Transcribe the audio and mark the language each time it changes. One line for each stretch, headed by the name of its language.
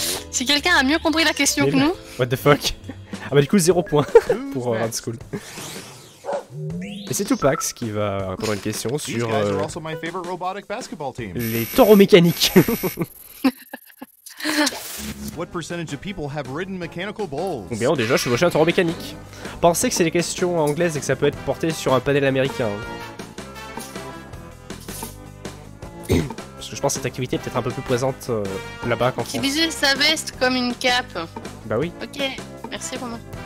French: Si quelqu'un a mieux compris la question que nous.
English: What the fuck.
French: Ah bah du coup 0 points pour Hard School. Et c'est Tupac qui va répondre à une question sur les taureaux mécaniques.
English: What percentage of people have ridden mechanical bulls?
French: Combien ont déjà chevauché un taureau mécanique? Pensez que c'est des questions anglaises et que ça peut être porté sur un panel américain. Je pense que cette activité est peut-être un peu plus présente là-bas qu'en France. Il visait sa veste comme une cape. Bah oui. Ok, merci pour moi.